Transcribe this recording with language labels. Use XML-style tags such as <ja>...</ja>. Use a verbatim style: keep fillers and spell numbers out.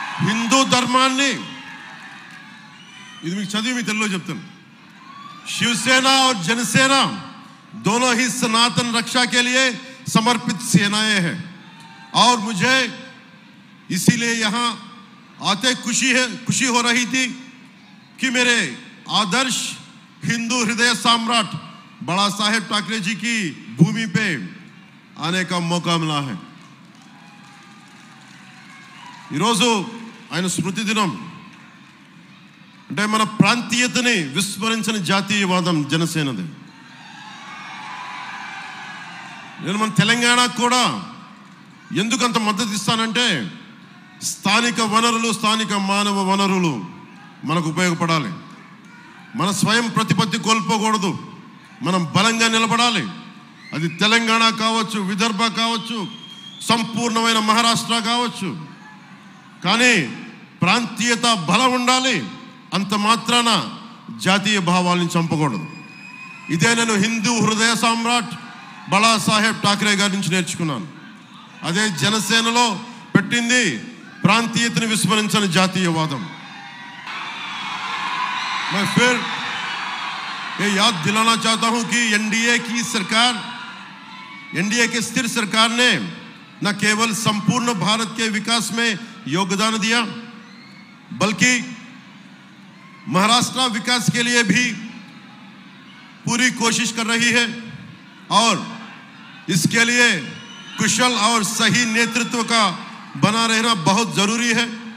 <hi>हिंदू धर्माने चली में चल लो जब तक शिवसेना और जनसेना दोनों ही सनातन रक्षा के लिए समर्पित सेनाएं हैं, और मुझे इसीलिए यहाँ आते खुशी है खुशी हो रही थी कि मेरे आदर्श हिंदू हृदय सम्राट बाला साहेब ठाकरे जी की भूमि पे आने का मौका मिला है।</hi> <te>ఈరోజు ఆయన స్మృతి దినం అంటే మన ప్రాంతీయతని విస్మరించిన జాతీయవాదం జనసేనది. నేను మన తెలంగాణకు కూడా ఎందుకు అంత మద్దతు ఇస్తానంటే స్థానిక వనరులు, స్థానిక మానవ వనరులు మనకు ఉపయోగపడాలి. మన స్వయం ప్రతిపత్తి కోల్పోకూడదు, మనం బలంగా నిలబడాలి. అది తెలంగాణ కావచ్చు, విదర్భ కావచ్చు, సంపూర్ణమైన మహారాష్ట్ర కావచ్చు. కానీ ప్రాంతీయత బలం ఉండాలి, అంత మాత్రాన జాతీయ భావాలను చంపకూడదు. ఇదే నేను హిందూ హృదయ సామ్రాట్ బాలా సాహెబ్ ఠాకరే గారి నుంచి నేర్చుకున్నాను. అదే జనసేనలో పెట్టింది ప్రాంతీయతను విస్మరించని జాతీయవాదం.</te> <hi>मैं फिर ये याद दिलाना चाहता हूं कि एनडीए की सरकार, एनडीए के स्थिर सरकार ने न केवल संपूर्ण भारत के विकास में योगदान दिया, बल्कि महाराष्ट्र विकास के लिए भी पूरी कोशिश कर रही है, और इसके लिए कुशल और सही नेतृत्व का बना रहना बहुत जरूरी है।</hi>